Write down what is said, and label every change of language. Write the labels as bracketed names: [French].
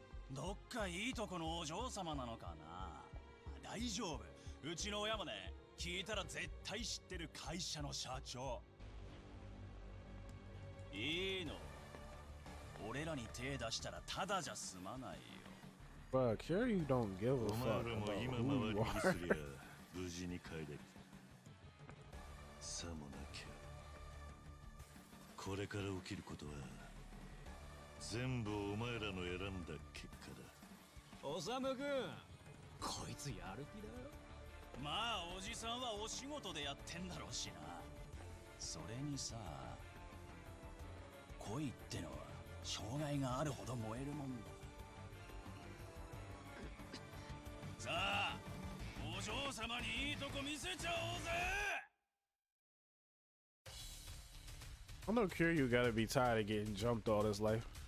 [Japanese] どっかいいとこのお嬢様なのかな。大丈夫、うちの親もね、聞いたら絶対知ってる会社の社長。いいの、俺らに手出したらただじゃ済まないよ。 [English] But Kiryu don't give a fuck about who you are. [Japanese] お前らも今回りにすりゃ無事に帰れる。さもなきゃこれから起きることは全部お前らの選んだ結果だ。おさむくん、こいつやる気だよ。まあおじさんはお仕事でやってんだろうしな。それにさ、恋ってのは障害があるほど燃えるもんだ。にいいとこ見せちゃおうぜ。 [English] I'm not sure you gotta be tired of getting jumped all this life.